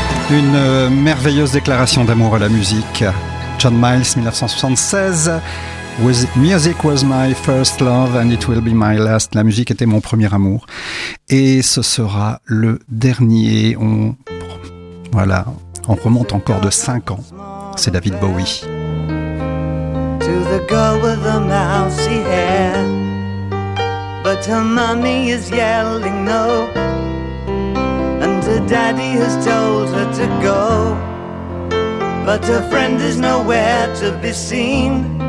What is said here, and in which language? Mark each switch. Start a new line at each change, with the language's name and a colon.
French: Une merveilleuse déclaration d'amour à la musique. John Miles, 1976.
English: Music was my first love and it will be my last.
French: La musique était mon premier amour. Et ce sera le dernier. Voilà, on remonte encore de 5 ans. C'est David Bowie.
English: To the girl with the mousy hair, but her mommy is yelling no, and her daddy has told her to go, but her friend is nowhere to be seen.